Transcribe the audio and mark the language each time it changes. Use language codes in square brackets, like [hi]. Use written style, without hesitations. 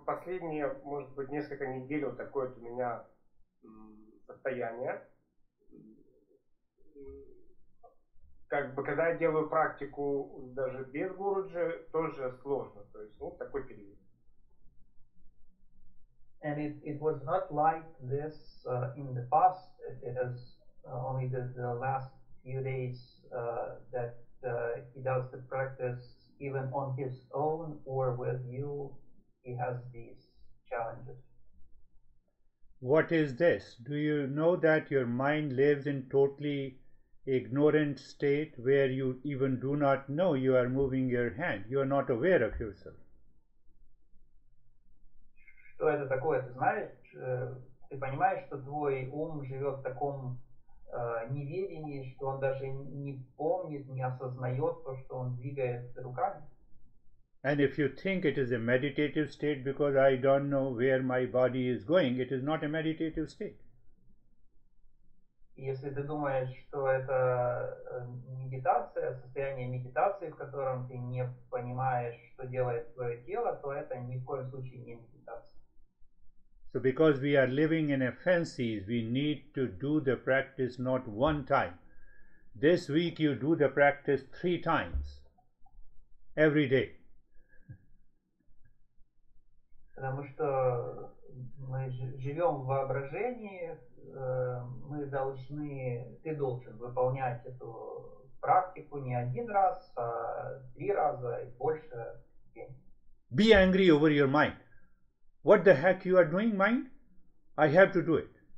[ru] последние, может быть, несколько недель вот такое у меня состояние. Как бы, когда я делаю практику даже без Гуруджи, тоже сложно. То есть, ну, такой период. [en] And it was not like this in the past. It is only the last few days that he does the practice even on his own or with you. He has these challenges. What is this? Do you know that your mind lives in totally ignorant state where you even do not know you are moving your hand? You are not aware of yourself. [ru] Что это такое? Ты знаешь, ты понимаешь, что твой ум живет в таком неведении, что он даже не помнит, не осознает то, что он двигает руками? [en] And if you think it is a meditative state because I don't know where my body is going, it is not a meditative state. [ru] Если ты думаешь, что это медитация, состояние медитации, в котором ты не понимаешь, что делает твое тело, то это ни в коем случае не медитация. [en] So because we are living in a fancy, we need to do the practice not one time. This week you do the practice 3 times every day. [ru] Потому что мы живем в воображении, мы должны, ты должен выполнять эту практику не один раз, а 3 раза и больше. [en] Be angry over your mind. What the heck you are doing, mind? I have to do it.